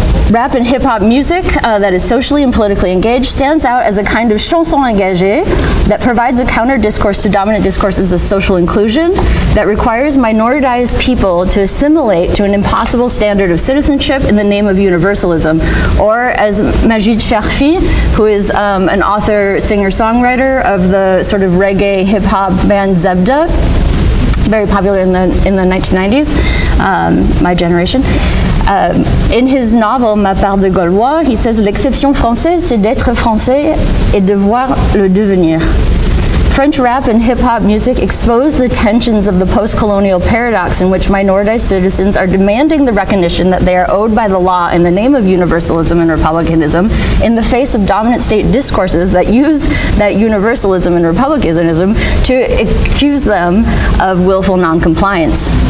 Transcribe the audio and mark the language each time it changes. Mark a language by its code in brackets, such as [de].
[en] Rap and hip-hop music that is socially and politically engaged stands out as a kind of chanson engagée that provides a counter-discourse to dominant discourses of social inclusion that requires minoritized people to assimilate to an impossible standard of citizenship in the name of universalism. Or as Majid Cherfi, who is an author, singer-songwriter of the sort of reggae hip-hop band Zebda, very popular in the 1990s, my generation. In his novel Ma part de Gaulois, he says, [fr] l'exception française, c'est d'être français et de voir le devenir. [en] French rap and hip-hop music exposed the tensions of the post-colonial paradox in which minoritized citizens are demanding the recognition that they are owed by the law in the name of universalism and republicanism in the face of dominant state discourses that use that universalism and republicanism to accuse them of willful noncompliance.